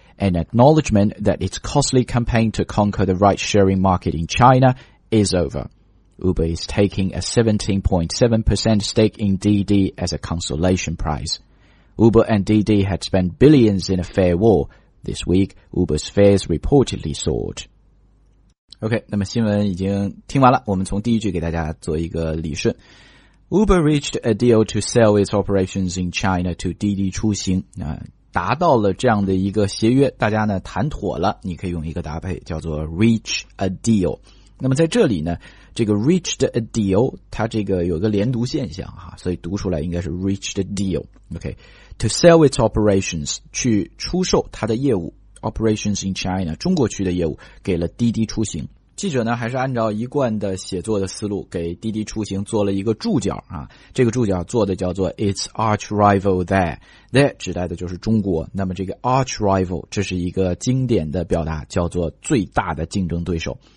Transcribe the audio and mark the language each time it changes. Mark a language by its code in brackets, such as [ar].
[en] An acknowledgement that its costly campaign to conquer the ride-sharing market in China is over. Uber is taking a 17.7% stake in Didi as a consolation prize. Uber and Didi had spent billions in a fare war. This week, Uber's fares reportedly soared. [zh] OK, 那么新闻已经听完了，我们从第一句给大家做一个理顺。 [en] Uber reached a deal to sell its operations in China to Didi Chuxing, [zh] 达到了这样的一个协约，大家呢谈妥了，你可以用一个搭配叫做 reach a deal。那么在这里呢，这个 reached a deal, 它这个有个连读现象啊，所以读出来应该是 reached a deal, okay, [en] to sell its operations, [zh] 去出售它的业务 operations in China, 中国区的业务给了滴滴出行。记者呢还是按照一贯的写作的思路给滴滴出行做了一个注脚啊，这个注脚做的叫做 [en] its arch rival there, [zh] there 指代的就是中国，那么这个 arch rival, 这是一个经典的表达，叫做最大的竞争对手。